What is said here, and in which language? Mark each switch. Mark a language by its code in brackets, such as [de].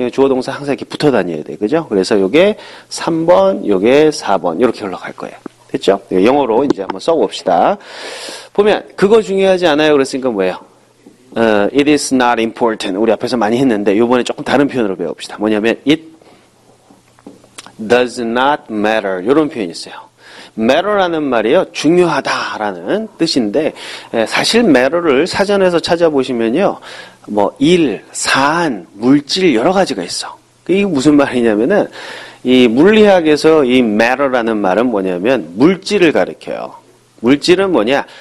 [ko] 주어동사 항상 이렇게 붙어 다녀야 돼. 그죠? 그래서 요게 3번, 요게 4번. 이렇게 흘러갈 거예요. 됐죠? 영어로 이제 한번 써봅시다. 보면 그거 중요하지 않아요. 그랬으니까 뭐예요? [en] It is not important. [ko] 우리 앞에서 많이 했는데 이번에 조금 다른 표현으로 배워봅시다. 뭐냐면 [en] it does not matter. [ko] 이런 표현이 있어요. matter라는 말이요, 중요하다라는 뜻인데 사실 matter를 사전에서 찾아보시면요, 뭐 일, 사안, 물질 여러 가지가 있어. 이게 무슨 말이냐면은. 이 물리학에서 이 matter라는 말은 뭐냐면 물질을 가리켜요. 물질은 뭐냐?